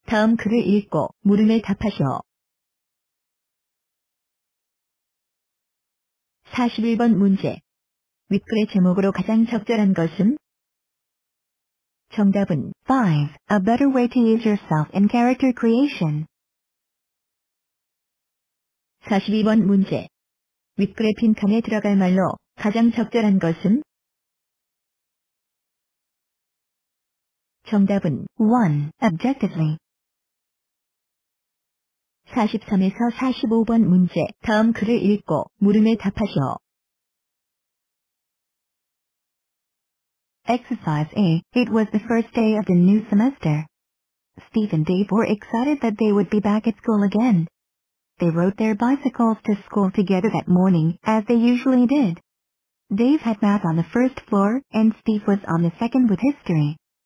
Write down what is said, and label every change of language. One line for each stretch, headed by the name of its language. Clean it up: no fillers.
Korean: 다음 글을 읽고 물음에 답하시오. 41번 문제. 윗글의 제목으로 가장 적절한 것은? 정답은 5.
English: A better way to use yourself in character creation.
Korean: 42번 문제. 윗글의 빈칸에 들어갈 말로 가장 적절한 것은? 정답은
English: 1. Objectively.
Korean: 43에서 45번 문제. 다음 글을 읽고 물음에 답하시오.
English: Exercise A. It was the first day of the new semester. Steve and Dave were excited that they would be back at school again. They rode their bicycles to school together that morning, as they usually did. Dave had math on the first floor, and Steve was on the second with history.